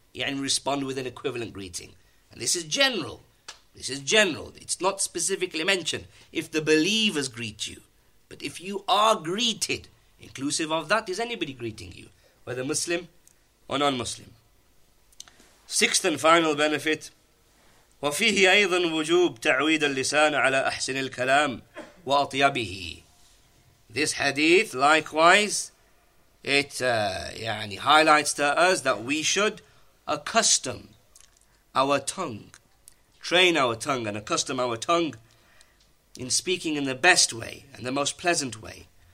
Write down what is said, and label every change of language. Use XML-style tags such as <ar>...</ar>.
<en>يعني respond with an equivalent greeting. And this is general. This is general. It's not specifically mentioned if the believers greet you. But if you are greeted, inclusive of that, is anybody greeting you, whether Muslim or non-Muslim? Sixth and final benefit.</en> <ar>وفيه أيضا وجوب تعويد اللسان على أحسن الكلام وأطيبه.</ar> <en>This hadith, likewise, it يعني highlights to us that we should accustom our tongue, train our tongue and accustom our tongue in speaking in the best way and the most pleasant way.</en>